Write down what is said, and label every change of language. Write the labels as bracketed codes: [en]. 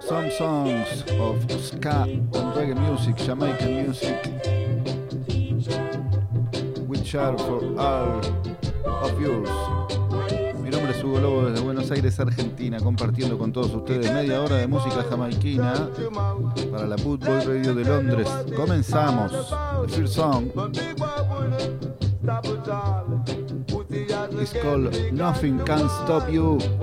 [en] Some songs of ska and reggae music, Jamaican music, which are for all of yours. [es] Mi nombre es Hugo Lobo desde Buenos Aires, Argentina, compartiendo con todos ustedes media hora de música jamaiquina para la Bootboy Radio de Londres. Comenzamos. [en] The first song is called Nothing Can Stop You.